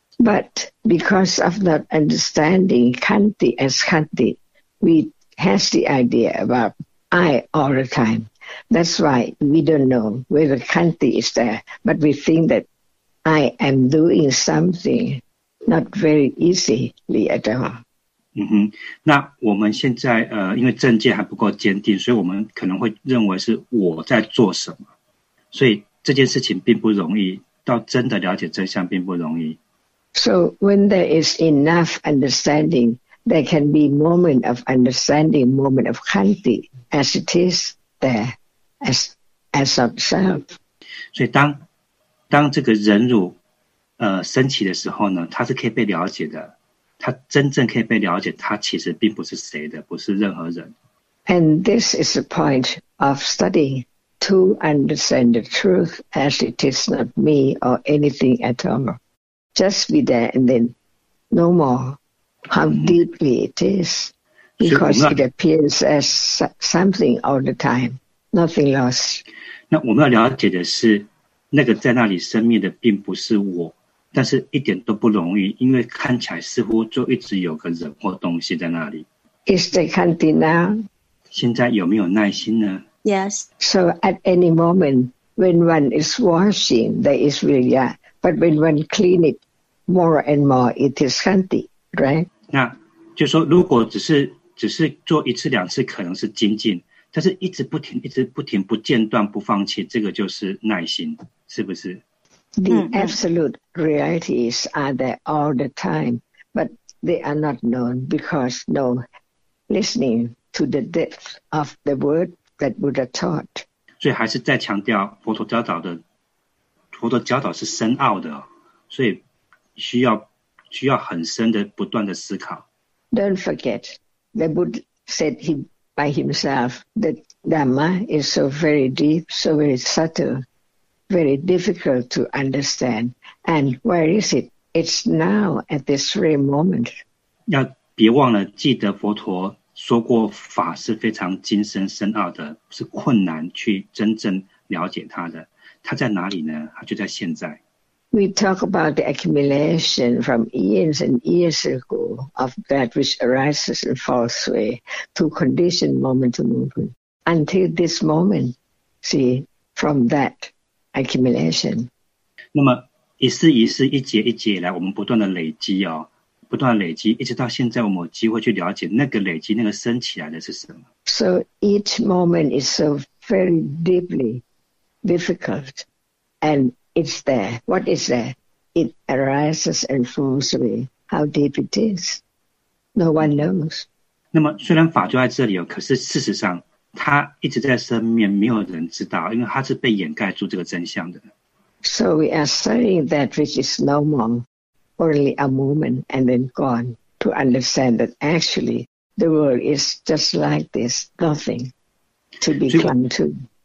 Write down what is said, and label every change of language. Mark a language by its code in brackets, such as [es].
[en] But because of not understanding Khanti as Khanti. We have the idea about I all the time. That's why we don't know whether Khanti is there, but we think that I am doing something not very easily at all. [zh] 那我们现在因为证件还不够坚定，所以我们可能会认为是我在做什么，所以这件事情并不容易，到真的了解真相并不容易。 [en] So when there is enough understanding,There can be moment of understanding, moment of Khanti as it is there, as itself. [zh] 所以当这个忍辱升起的时候呢，它是可以被了解的，它真正可以被了解，它其实并不是谁的，不是任何人。 [en] And this is the point of study to understand the truth as it is not me or anything at all. Just be there and then no more. How deeply it is, because it appears as something all the time, nothing lost. [zh] 那我们要了解的是，那个在那里生灭的并不是我，但是一点都不容易，因为看起来似乎就一直有个人或东西在那里。 [en] Is the Khanti now? [zh] 现在有没有耐心呢？ [en] Yes. So at any moment, when one is washing, there is Virya, but when one clean it more and more, it is Khanti. Right. [zh] 那就是说如果只是做一次两次可能是精进，但是一直不停不间断不放弃，这个就是耐心，是不是？ [en] The absolute realities are there all the time, but they are not known because no listening to the depth of the word that Buddha taught. [zh] 所以还是再强调佛陀教导是深奥的，所以需要很深的不断的思考。 [en] Don't forget, the Buddha said he by himself that Dhamma is so very deep, so very subtle, very difficult to understand. And where is it? It's now at this very moment. [zh] 要别忘了，记得佛陀说过，法是非常精深深奥的，是困难去真正了解它的。它在哪里呢？它就在现在。 [en] We talk about the accumulation from eons and years ago of that which arises and falls away to conditioned moment to moment. Until this moment, see, from that accumulation. [zh] 那么一世一世一劫一劫以来我们不断的累积哦，不断累积，一直到现在我们有机会去了解那个累积那个升起来的是什么。 [en] So each moment is so very deeply difficult andIt's there. What is there? It arises and falls away. How deep it is? No one knows. [zh] 那么虽然法就在这里，可是事实上它一直在生灭，没有人知道，因为它是被掩盖住这个真相的。 [en] So we are studying that which is no more, only a moment and then gone, to understand that actually the world is just like this, nothing to be clung to.